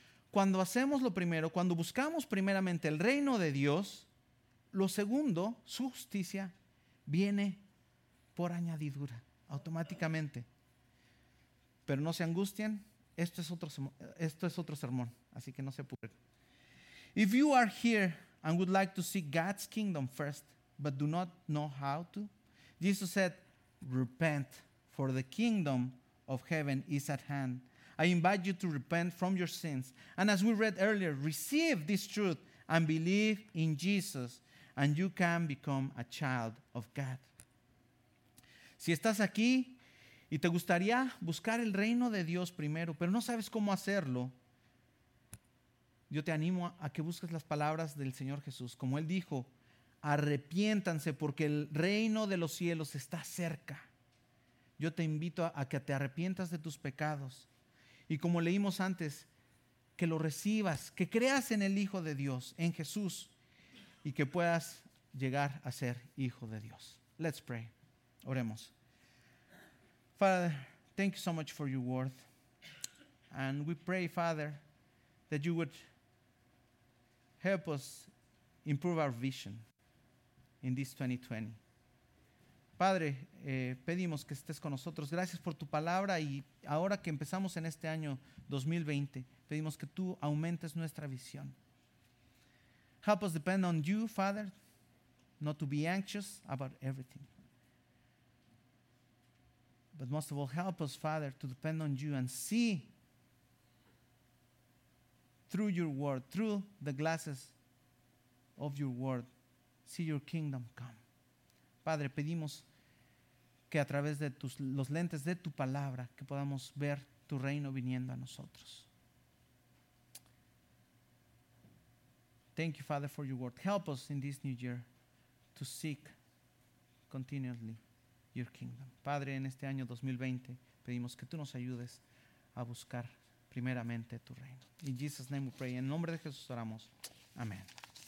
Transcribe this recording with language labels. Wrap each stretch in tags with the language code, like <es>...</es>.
<es>Cuando hacemos lo primero, cuando buscamos primeramente el reino de Dios, lo segundo, su justicia, viene por añadidura, automáticamente. Pero no se angustien, esto es otro sermón, así que no se apuren.</es> <en>If you are here and would like to seek God's kingdom first, but do not know how to, Jesus said, repent, for the kingdom of heaven is at hand. I invite you to repent from your sins. And as we read earlier, receive this truth and believe in Jesus, and you can become a child of God.</en> <es>Si estás aquí y te gustaría buscar el reino de Dios primero, pero no sabes cómo hacerlo, yo te animo a que busques las palabras del Señor Jesús. Como Él dijo, arrepiéntanse porque el reino de los cielos está cerca. Yo te invito a que te arrepientas de tus pecados. Y como leímos antes, que lo recibas, que creas en el Hijo de Dios, en Jesús, y que puedas llegar a ser Hijo de Dios.</es> <en>Let's pray.</en> <es>Oremos.</es> <en>Father, thank you so much for your word. And we pray, Father, that you would help us improve our vision in this 2020.</en> <es>Padre, pedimos que estés con nosotros. Gracias por tu palabra. Y ahora que empezamos en este año 2020, pedimos que tú aumentes nuestra visión.</es> <en>Help us depend on you, Father, not to be anxious about everything. But most of all, help us, Father, to depend on you and see through your word, through the glasses of your word, see your kingdom come.</en> <es>Padre, pedimos que a través de los lentes de tu palabra que podamos ver tu reino viniendo a nosotros.</es> <en>Thank you, Father, for your word. Help us in this new year to seek continually your kingdom.</en> <es>Padre, en este año 2020 pedimos que tú nos ayudes a buscar primeramente tu reino.</es> <en>In Jesus' name we pray.</en> <es>En nombre de Jesús oramos. Amén.</es>